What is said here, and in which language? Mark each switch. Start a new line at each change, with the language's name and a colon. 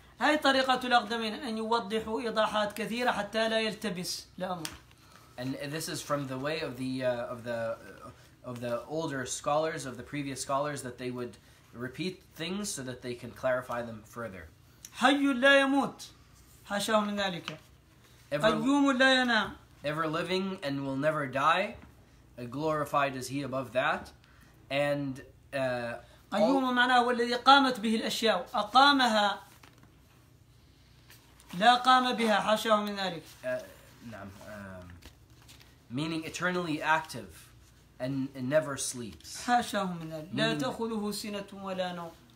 Arabic: هاي طريقة الأقدمين أن يوضحوا إيضاحات كثيرة حتى لا يلتبس الأمر.
English: And this is from the way of the older scholars, of the previous scholars, that they would repeat things so that they can clarify them further.
Arabic: حي لا يموت حاشاه من ذلك. قيوم لا ينام.
English: Ever living and will never die, glorified is He above that, and
Arabic: قيوم معناه والذي قامت به الأشياء أقامها لا قام بها حاشاه من ذلك. نعم.
English: Meaning eternally active and never sleeps.
Arabic: حاشاه من ذلك. لا تأخذه سنة ولا نوم.